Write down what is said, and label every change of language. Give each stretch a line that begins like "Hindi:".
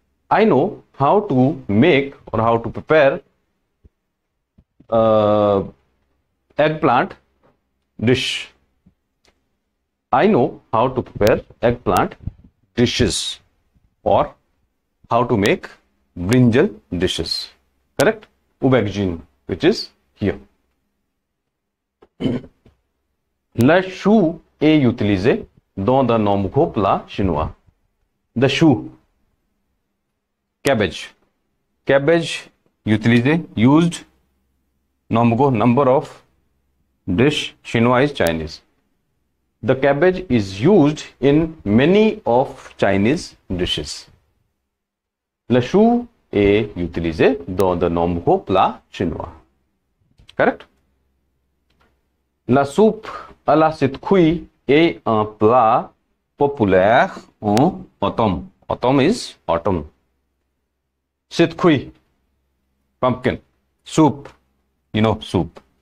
English: I know how to make or how to prepare eggplant dish. I know how to prepare eggplant dishes or how to make brinjal dishes. Correct? Aubergine, which is here.
French: Le chou est utilisé dans de nombreux plats chinois. Le chou.
English: Cabbage. Cabbage used number of dish Chinois is Chinese. The cabbage is used in many of Chinese dishes.
French: Le chou est utilisé dans de nombreux plats chinois.
English: Correct?
French: La soupe à la citrouille est un plat populaire en automne.
English: Autumn is autumn. Citrouille, pumpkin, soup, soup.